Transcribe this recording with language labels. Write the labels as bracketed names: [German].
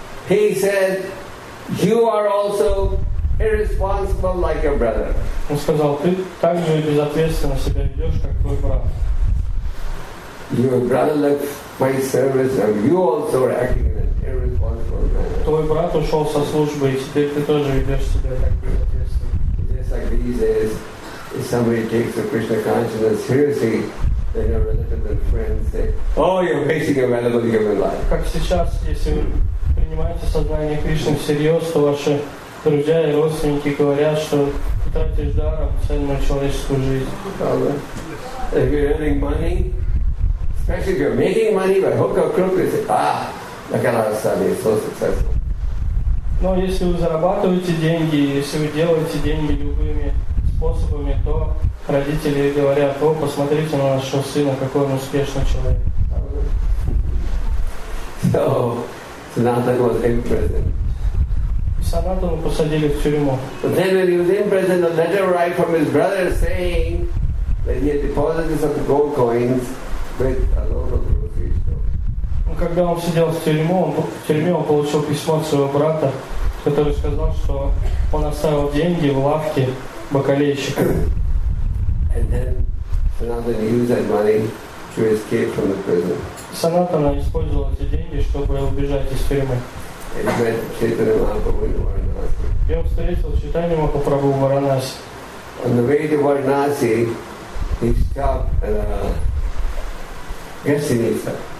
[English] He said, "You are also irresponsible like your brother." [Russian] Он сказал, ты так же безответственно себя ведешь, как твой брат. [English] Your brother left my service, and you also are acting in an irresponsible manner. [Russian] Твой брат ушел со службы, и теперь ты тоже ведешь себя так безответственно. [English] Just like these days, if somebody takes the Krishna consciousness seriously, then your relatives and friends say, "Oh, you're wasting your valuable human life." [Russian] Как сейчас, если вы принимаете сознание Кришны всерьез, то ваши друзья и родственники говорят, что вы тратите даром ценную человеческую жизнь. [English] If you're earning money, especially if you're making money by hook or crook, they say, "Ah, look at our son, he's so successful." [Russian] Но если вы зарабатываете деньги, если вы делаете деньги любыми способами, то родители говорят, о, посмотрите на нашего сына, какой он успешный человек. [English] So, Sanatana was in prison. [Russian] И Санатану посадили в тюрьму. [English] But then when he was in prison, a letter arrived from his brother saying that he had deposited some gold coins with a local grocery store. [Russian] Когда он сидел в тюрьме, он получил письмо от своего брата, который сказал, что он оставил деньги в лавке бакалейщик. [English] And then Sanatana used that money to escape from the prison. [Russian] Sanatana использовал эти деньги, чтобы убежать из тюрьмы. [English] And he met Chaitanya Mahaprabhu in Varanasi. [Russian] И он встретил Чайтанью Махапрабху в Варанаси. [English] On the way to Varanasi, he stopped at a гостиница.